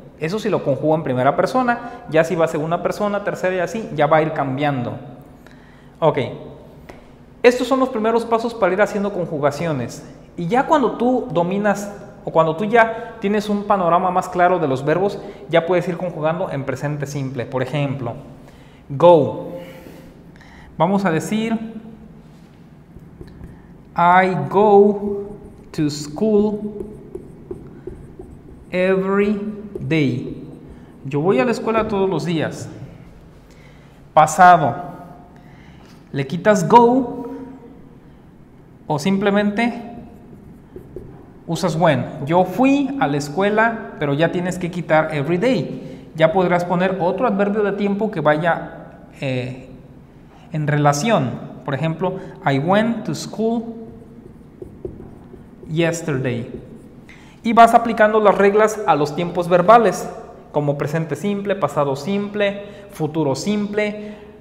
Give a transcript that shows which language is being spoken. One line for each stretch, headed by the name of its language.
Spanish: Eso si lo conjugo en primera persona, ya si va a segunda persona, tercera y así, ya va a ir cambiando. Ok. Estos son los primeros pasos para ir haciendo conjugaciones. Y ya cuando tú dominas, o cuando tú ya tienes un panorama más claro de los verbos, ya puedes ir conjugando en presente simple. Por ejemplo, go. Vamos a decir,
English: I go to school every day.
Spanish: Yo voy a la escuela todos los días. Pasado. Le quitas go o simplemente usas when. Yo fui a la escuela, pero ya tienes que quitar
English: every day.
Spanish: Ya podrás poner otro adverbio de tiempo que vaya en relación. Por ejemplo,
English: I went to school yesterday.
Spanish: Y vas aplicando las reglas a los tiempos verbales, como presente simple, pasado simple, futuro simple.